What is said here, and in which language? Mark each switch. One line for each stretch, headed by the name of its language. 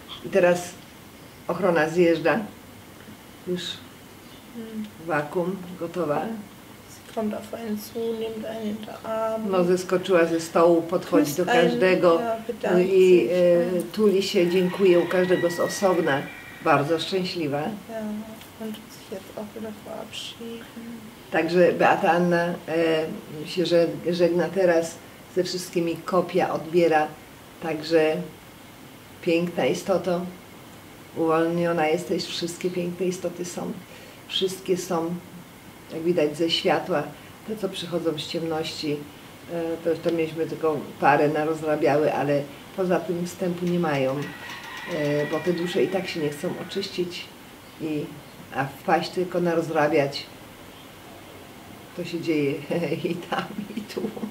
Polish: I teraz ochrona zjeżdża. Już wakum gotowa.
German: Kommt auf einen zu, nimmt einen hinterarm.
Polish: No, zeskoczyła ze stołu, podchodzi do każdego i tuli się, dziękuję u każdego z osobna. Bardzo szczęśliwa.
German: Ja, und sich jetzt auch wieder verabschieden.
Polish: Także Beata Anna się żegna teraz ze wszystkimi, kopia odbiera. Także piękna istoto, uwolniona jesteś, wszystkie piękne istoty są. Wszystkie są. Jak widać, ze światła, te co przychodzą z ciemności, to mieliśmy tylko parę na rozrabiały, ale poza tym wstępu nie mają, bo te dusze i tak się nie chcą oczyścić, a wpaść tylko na rozrabiać, to się dzieje i tam, i tu.